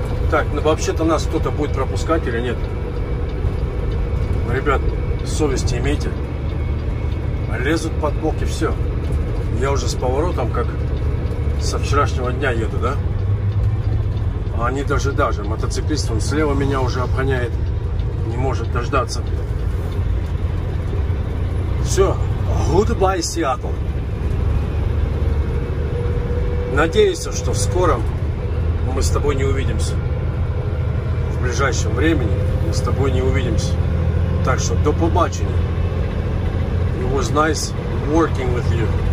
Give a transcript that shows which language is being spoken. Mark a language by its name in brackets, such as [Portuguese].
[Russian] Так, ну вообще-то нас кто-то будет пропускать или нет? Ну, ребят, совести имейте. Лезут под бок и все. Я уже с поворотом, как со вчерашнего дня еду, да? А они даже, мотоциклист, он слева меня уже обгоняет. Не может дождаться. Все, goodbye, Seattle. Надеюсь, что в скором мы с тобой не увидимся. В ближайшем времени мы с тобой не увидимся. Так что [Ukrainian] до побачення. [English] It was nice working with you.